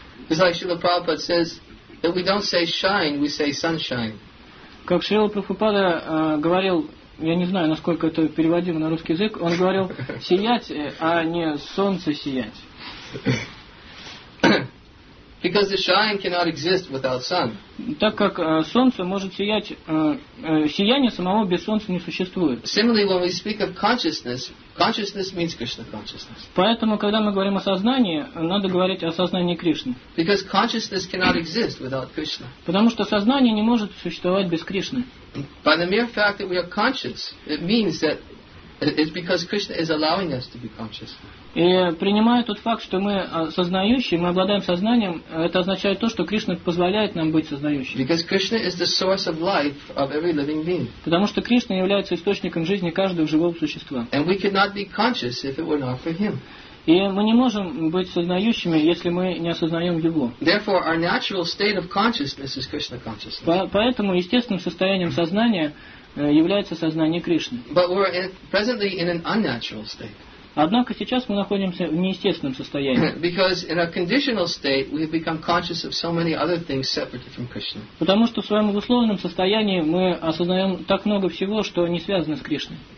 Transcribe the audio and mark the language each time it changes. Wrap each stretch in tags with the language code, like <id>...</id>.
<en>It's like Srila Prabhupada says that we don't say shine, we say sunshine.</en> <ru>Как Шрила Прабхупада говорил, я не знаю, насколько это переводимо на русский язык, он говорил сиять, а не солнце сиять.</ru> <en>Because the shine cannot exist without sun.</en> <ru>Так как солнце может сиять, сияние самого без солнца не существует.</ru> <en>Similarly, when we speak of consciousness, consciousness means Krishna consciousness.</en> <ru>Поэтому, когда мы говорим о сознании, надо говорить о сознании Кришны.</ru> <en>Because consciousness cannot exist without Krishna.</en> <ru>Потому что сознание не может существовать без Кришны.</ru> <en>By the mere fact that we are conscious, it means that it's because Krishna is allowing us to be conscious.</en> <ru>И принимая тот факт, что мы сознающие, мы обладаем сознанием, это означает то, что Кришна позволяет нам быть сознающими.</ru> <en>Because Krishna is the source of life of every living being.</en> <ru>Потому что Кришна является источником жизни каждого живого существа.</ru> <en>And we cannot be conscious if it were not for Him.</en> <ru>И мы не можем быть сознающими, если мы не осознаем Его.</ru> <en>Therefore, our natural state of consciousness is Krishna consciousness.</en> <ru>Поэтому естественным состоянием сознания является сознание Кришны.</ru> <en>But we're presently in an unnatural state.</en> <ru>Однако сейчас мы находимся в неестественном состоянии. Потому что в своем условном состоянии мы осознаем так много всего, что не связано с Кришной.</ru>